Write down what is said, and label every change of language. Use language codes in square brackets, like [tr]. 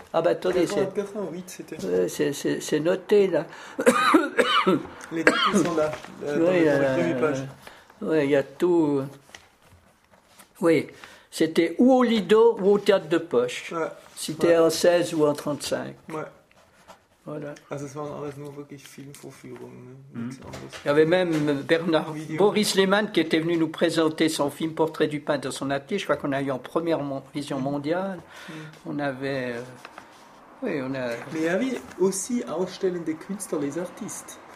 [fr] Ah ben attendez, c'est... 88, c'était... C'est noté, là. Les dates sont là, dans les premières pages. Oui, il y a tout... Oui, c'était ou au Lido ou au Théâtre de Poche. Ouais. Si t'es en 16 ou en 35. Ouais. Voilà. [de] Also es waren alles nur wirklich Filmvorführungen. Ne? [fr] Il y avait même Bernard Boris Lehmann qui était venu nous présenter son film Portrait du peintre dans son atelier. Je crois qu'on a eu en première vision mondiale. Mm. On avait. Oui, on a. Mais il y avait aussi [de] ausstellende Künstler, [fr] les artistes.